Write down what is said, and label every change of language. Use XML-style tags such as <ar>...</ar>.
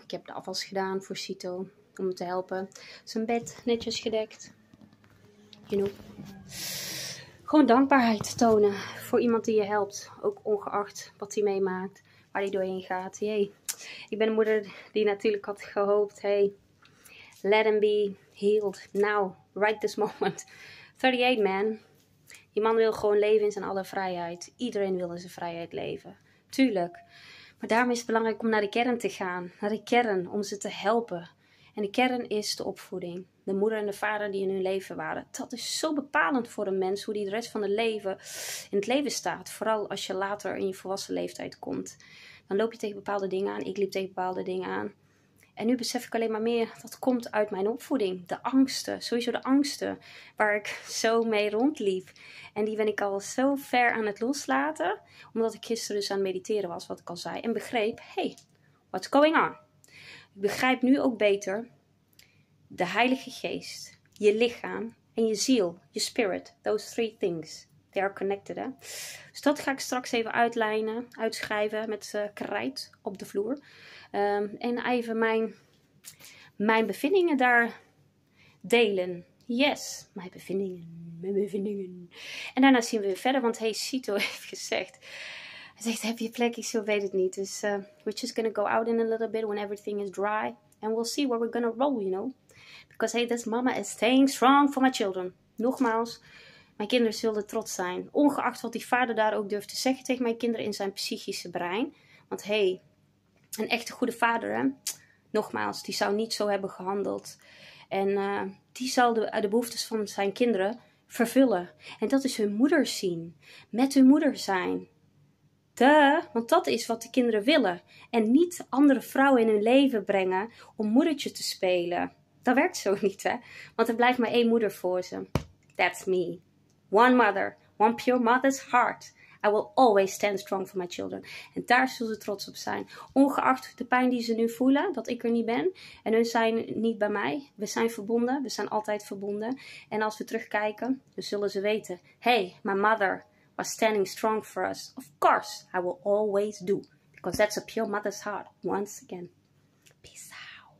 <nl>Ik heb de afwas gedaan voor Cito om hem te helpen. Zijn bed netjes gedekt. Gewoon dankbaarheid tonen voor iemand die je helpt. Ook ongeacht wat hij meemaakt, waar hij doorheen gaat. Ik ben een moeder die natuurlijk had gehoopt.</nl> <en>Let him be healed now, right this moment.</en> <nl>38 man. Die man wil gewoon leven in zijn alle vrijheid. Iedereen wil in zijn vrijheid leven. Tuurlijk. Maar daarom is het belangrijk om naar de kern te gaan. Naar de kern, om ze te helpen. En de kern is de opvoeding. De moeder en de vader die in hun leven waren. Dat is zo bepalend voor een mens, hoe die de rest van het leven in het leven staat. Vooral als je later in je volwassen leeftijd komt. Dan loop je tegen bepaalde dingen aan. Ik liep tegen bepaalde dingen aan. En nu besef ik alleen maar meer, dat komt uit mijn opvoeding. De angsten, sowieso de angsten waar ik zo mee rondliep. En die ben ik al zo ver aan het loslaten, omdat ik gisteren dus aan het mediteren was, wat ik al zei. En begreep,</nl> <en>what's going on?</en> <nl>Ik begrijp nu ook beter de Heilige Geest, je lichaam en je ziel, je spirit.</nl> <en>Those three things, they are connected, hè?</en> <nl>Dus dat ga ik straks even uitlijnen, uitschrijven met krijt op de vloer. En even mijn bevindingen daar delen. Yes, mijn bevindingen, mijn bevindingen. En daarna zien we weer verder, want Cito heeft gezegd. Hij zegt, heb je plek? Ik zo weet het niet. Dus</nl> <en>we're just gonna go out in a little bit when everything is dry. And we'll see where we're gonna roll, you know. Because hey, this mama is staying strong for my children.</en> <nl>Nogmaals, mijn kinderen zullen trots zijn. Ongeacht wat die vader daar ook durft te zeggen tegen mijn kinderen in zijn psychische brein. Want hey, een echte goede vader, hè? Nogmaals, die zou niet zo hebben gehandeld. En die zal de behoeftes van zijn kinderen vervullen. En dat is hun moeder zien. Met hun moeder zijn. Duh, want dat is wat de kinderen willen. En niet andere vrouwen in hun leven brengen om moedertje te spelen. Dat werkt zo niet, hè? Want er blijft maar één moeder voor ze.</nl> <en>That's me. One mother. One pure mother's heart. I will always stand strong for my children.</en> <nl>En daar zullen ze trots op zijn. Ongeacht de pijn die ze nu voelen, dat ik er niet ben. En hun zijn niet bij mij. We zijn verbonden. We zijn altijd verbonden. En als we terugkijken, dan zullen ze weten.</nl> <en>Hey, my mother was standing strong for us. Of course, I will always do. Because that's a pure mother's heart. Once again. Peace out.</en>